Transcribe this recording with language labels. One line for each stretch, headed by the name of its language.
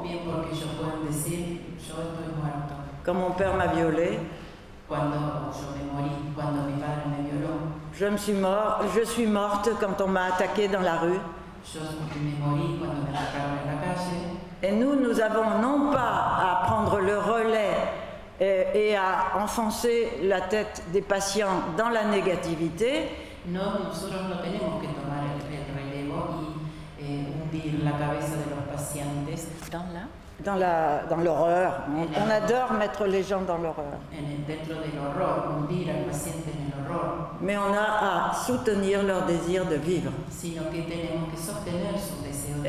French: ou bien
Spanish: porque ellos pueden decir yo estoy muerto,
French: quand mon père m'a violé,
Spanish: cuando yo me morí, cuando mi padre me violó,
French: je suis morte quand on m'a attaqué dans la rue,
Spanish: yo me morí cuando me atacaron en la calle.
French: Et nous, nous avons non pas à prendre le relais et à enfoncer la tête des patients dans la négativité.
Spanish: No, nosotros no tenemos que tomar el relevo y hundir la cabeza de los pacientes
French: dans la dans l'horreur. On adore mettre les gens dans l'horreur.
Spanish: Dentro del horror, hundir al paciente en el horror.
French: Mais on a à soutenir leur désir de vivre.
Spanish: Sino que tenemos que sostener su deseo de